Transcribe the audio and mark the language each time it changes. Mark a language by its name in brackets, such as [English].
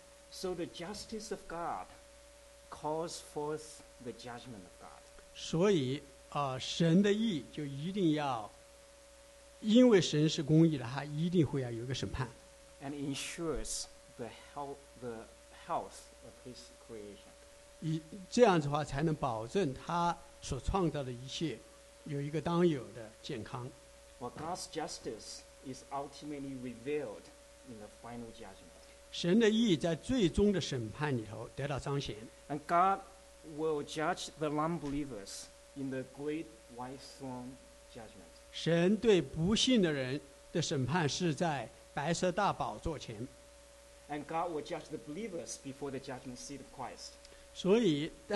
[English] So the justice of God calls forth the judgment of God. [Chinese] 所以, 神的义就一定要，因为神是公义的，他一定会要有一个审判。 [English] And ensures the health of His creation. [Chinese] 这样子的话才能保证他所创造的一切有一个当有的健康。 [English] Well, God's justice is ultimately revealed in the final judgment. [Chinese] 神的义在最终的审判里头得到彰显。 [English] And God will judge the non-believers in the great white throne judgment. [Chinese] 神对不信的人的审判是在白色大宝座前。 [English] And God will judge the believers before the judgment seat of Christ.